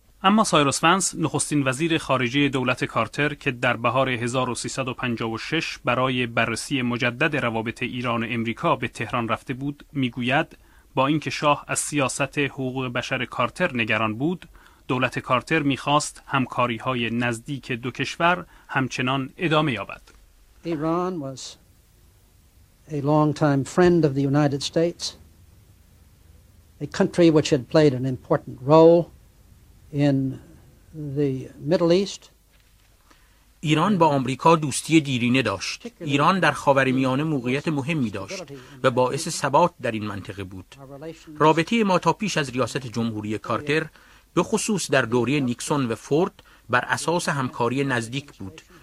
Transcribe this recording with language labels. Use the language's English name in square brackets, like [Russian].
[Persian] اما سایرس ونس، نخستین وزیر خارجه دولت کارتر که در بهار 1356 برای بررسی مجدد روابط ایران و امریکا به تهران رفته بود، میگوید با اینکه شاه از سیاست حقوق بشر کارتر نگران بود، دولت کارتر می‌خواست همکاری‌های نزدیک دو کشور همچنان ادامه یابد. [English] Iran was a long time friend of the United States, a country which had played an important role in the Middle East. [Persian] ایران با آمریکا دوستی دیرینه داشت. ایران در خاورمیانه موقعیت مهمی داشت و باعث ثبات در این منطقه بود. رابطه ما تا پیش از ریاست جمهوری کارتر به خصوص در دوره نیکسون و فورد بر اساس همکاری نزدیک بود.